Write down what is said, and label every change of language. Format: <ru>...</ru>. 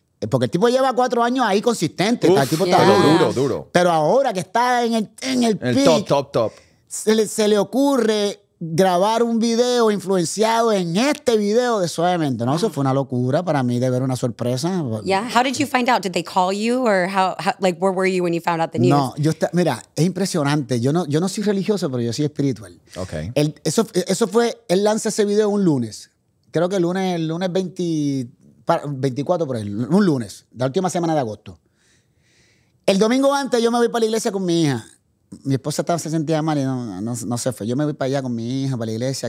<es>Porque el tipo lleva 4 años ahí consistente. Uf, el tipo está duro, duro. Pero ahora que está en el peak, top. Se le ocurre grabar un video influenciado en este video de Suavemente, ¿no? Eso fue una locura para mí, de ver una sorpresa.</es> <en>Yeah, how did you find out? Did they call you or how where were you when you found out the news?</en> <es>No, mira, es impresionante. Yo no soy religioso, pero yo soy espiritual. Okay. Él lanza ese video un lunes. Creo que el lunes 24 por ahí, un lunes, la última semana de agosto. El domingo antes yo me voy para la iglesia con mi hija. Mi esposa se sentía mal y no se fue. Yo me voy para allá con mi hija, para la iglesia.</es>